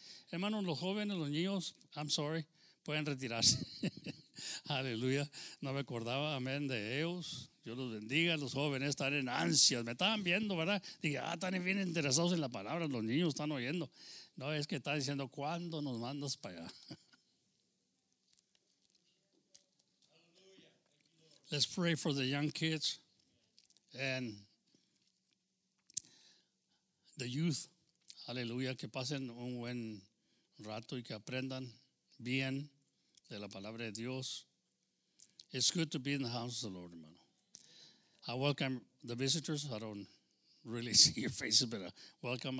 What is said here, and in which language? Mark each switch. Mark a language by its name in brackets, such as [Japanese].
[Spanish] Hermano, los jóvenes, los niños, [English] I'm sorry, [Spanish] pueden retirarse. Aleluya. No me acordaba, amén, de ellos. Dios los bendiga. Los jóvenes están en ansias. Me estaban viendo, ¿verdad? Dije, están bien interesados en la palabra. Los niños están oyendo. No, es que están diciendo, ¿cuándo nos mandas para allá? [English] Let's pray for the young kids and the youth. [Spanish] Aleluya, que pasen un buen rato y que aprendan bien de la palabra de Dios. [English] It's good to be in the house of the Lord, hermano. I welcome the visitors. I don't really see your faces, but I welcome.